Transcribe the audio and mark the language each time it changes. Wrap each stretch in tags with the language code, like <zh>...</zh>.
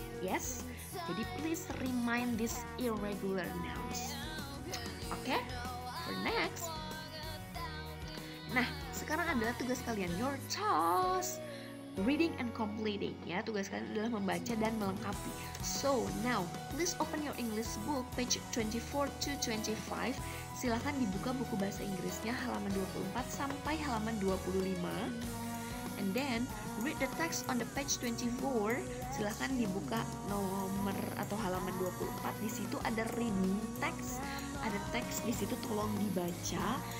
<en>Yes?</en> <id>Jadi</id> <en>please remind this irregular nouns. Okay? For next.</en> <id>Nah, sekarang adalah tugas kalian,</id> <en>your task, reading and completing</en> <id>ya. Tugas kalian adalah membaca dan melengkapi.</id> <en>So, now, please open your English book page 24 to 25.</en> <id>Silakan dibuka buku bahasa Inggrisnya halaman 24 sampai halaman 25.</id> <en>And then, read the text on the page 24.</en> <id>Silahkan dibuka nomor atau halaman 24. Di situ ada reading text. Ada teks di situ, tolong dibaca.</id>